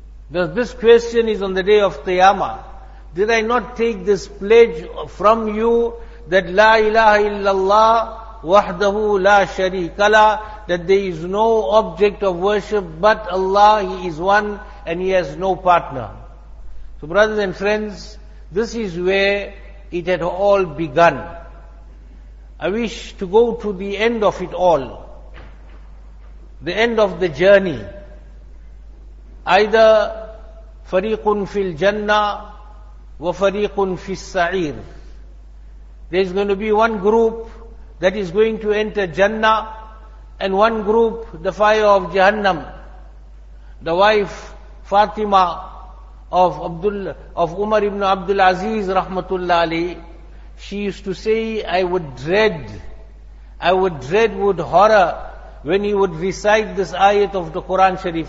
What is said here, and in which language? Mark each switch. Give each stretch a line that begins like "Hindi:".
English: This question is on the day of Qiyamah. Did I not take this pledge from you that la ilaha illallah,
Arabic: وَحْدَهُ لَا شَرِيكَ لَا,
English: that there is no object of worship but Allah, He is one and He has no partner. So brothers and friends, this is where it had all begun. I wish to go to the end of it all, the end of the journey.
Arabic: Either فَرِيقٌ فِي الْجَنَّةِ وَفَرِيقٌ فِي السَّعِيرِ.
English: There is going to be one group that is going to enter Jannah, and one group, the fire of Jahannam. The wife, Fatima, of Umar ibn Abdul Aziz, rahmatullahi, she used to say, I would dread with horror when he would recite this ayat of the Quran Sharif.